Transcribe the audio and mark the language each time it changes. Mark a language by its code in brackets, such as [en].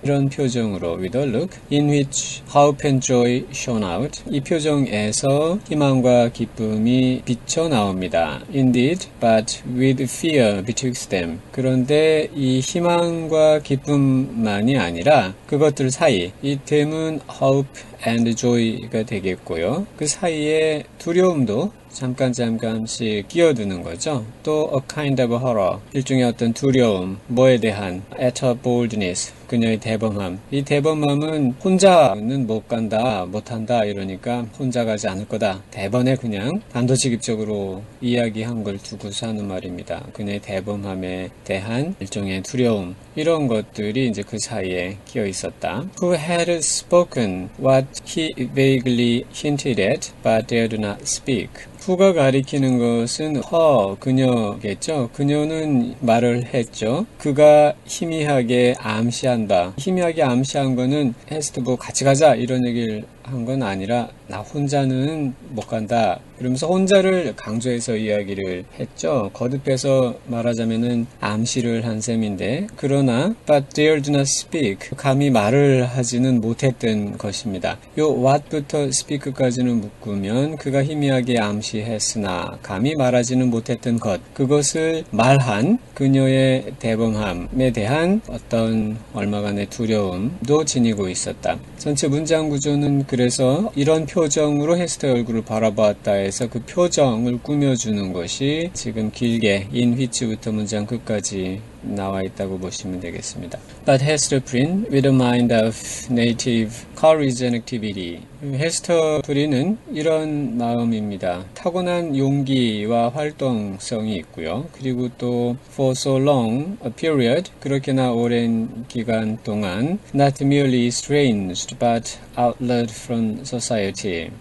[ko] 이런 표정으로 [en] with a look in which hope and joy shone out. [ko] 이 표정에서 희망과 기쁨이 비쳐 나옵니다. [en] Indeed, but with fear betwixt them. [ko] 그런데 이 희망과 기쁨만이 아니라 그것들 사이, 이 them은 hope and joy가 되겠고요. 그 사이에 두려움도 잠깐 잠깐씩 끼어드는 거죠. 또 [en] a kind of horror, [ko] 일종의 어떤 두려움, 뭐에 대한 [en] at her boldness, [ko] 그녀의 대범함. 이 대범함은 혼자는 못 간다, 못 한다 이러니까 혼자 가지 않을 거다. 대번에 그냥 단도직입적으로 이야기한 걸 두고서 하는 말입니다. 그녀의 대범함에 대한 일종의 두려움 이런 것들이 이제 그 사이에 끼어 있었다. [en] Who had spoken what he vaguely hinted at, but dared not speak. [ko] Who가 가리키는 것은 her, 그녀겠죠. 그녀는 말을 했죠. 그가 희미하게 암시한다. 희미하게 암시한 거는 헤스터 뭐 같이 가자 이런 얘기를 한건 아니라 나 혼자는 못 간다. 그러면서 혼자를 강조해서 이야기를 했죠. 거듭해서 말하자면은 암시를 한 셈인데. 그러나 [en] but dared not speak. [ko] 감히 말을 하지는 못했던 것입니다. 요 what부터 speak까지는 묶으면 그가 희미하게 암시했으나 감히 말하지는 못했던 것. 그것을 말한 그녀의 대범함에 대한 어떤 얼마간의 두려움도 지니고 있었다. 전체 문장 구조는 그래서 이런 표정으로 헤스터 얼굴을 바라보았다 해서 그 표정을 꾸며주는 것이 지금 길게 in which부터 문장 끝까지 나와 있다고 보시면 되겠습니다. [en] But Hester Prynne, with a mind of native courage and activity. [ko] 헤스터 프린은 이런 마음입니다. 타고난 용기와 활동성이 있고요. 그리고 또 [en] for so long a period, [ko] 그렇게나 오랜 기간 동안 [en] not merely estranged but outlawed from society.